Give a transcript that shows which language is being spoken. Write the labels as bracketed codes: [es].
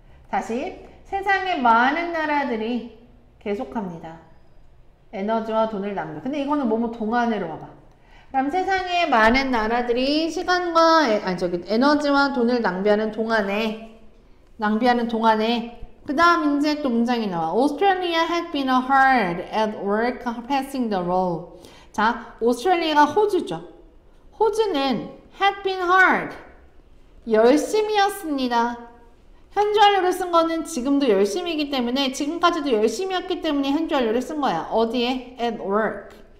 [ko] 다시 세상의 많은 나라들이 계속합니다. 에너지와 돈을 낭비. 근데 이거는 뭐뭐 동안으로 봐봐. 그럼 세상의 많은 나라들이 시간과 에너지와 돈을 낭비하는 동안에 낭비하는 동안에 그 다음 이제 또 문장이 나와. [en] Australia had been hard at work passing the rule. [ko] 자, 오스트레일리아가 호주죠. 호주는 [en] had been hard. [ko] 열심히였습니다. 현재 완료를 쓴 거는 지금도 열심히이기 때문에 지금까지도 열심히였기 때문에 현재 완료를 쓴 거야. 어디에? [en] At work.